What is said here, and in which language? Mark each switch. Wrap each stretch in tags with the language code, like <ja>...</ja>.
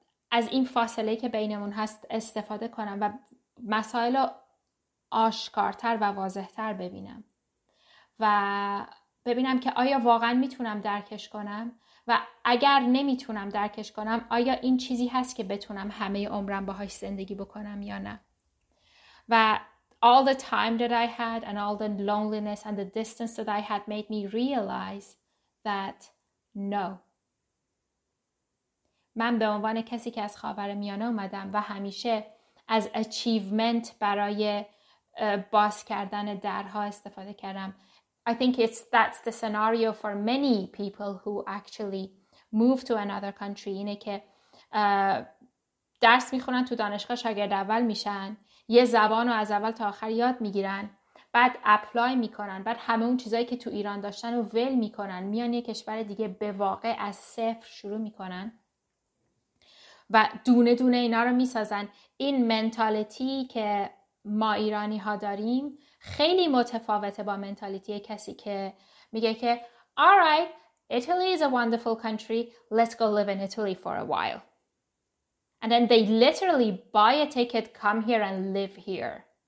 <fa>از این فاصله که بینمون هست استفاده کنم و مسائل رو آشکارتر و واضحتر ببینم و ببینم که آیا واقعا میتونم درکش کنم و اگر نمیتونم درکش کنم آیا این چیزی هست که بتونم همه عمرم باهاش زندگی بکنم یا نه.</fa> <en>و all the time that I had and all the loneliness and the distance that I had made me realize that no.</en> <fa>من به عنوان کسی که از خاورمیانه اومدم و همیشه از achievement برای باز کردن درها استفاده کردم.</fa> <en>I think that's the scenario for many people who actually move to another country.</en> <fa>اینه که درس میخونن تو دانشگاه شاگرد اول میشن، یه زبان رو از اول تا آخر یاد میگیرن، بعد اپلای میکنن، بعد همه اون چیزایی که تو ایران داشتن رو ول میکنن، میان یه کشور دیگه به واقع از صفر شروع میکنن و دونه دونه اینا رو میسازن. این منتالیتی که ما ایرانی ها داریم خیلی متفاوته با منتالیتی کسی که میگه که</fa> <en>All right, Italy is a wonderful country. Let's go live in Italy for a while. And then they literally buy a ticket, come here and live here.</en>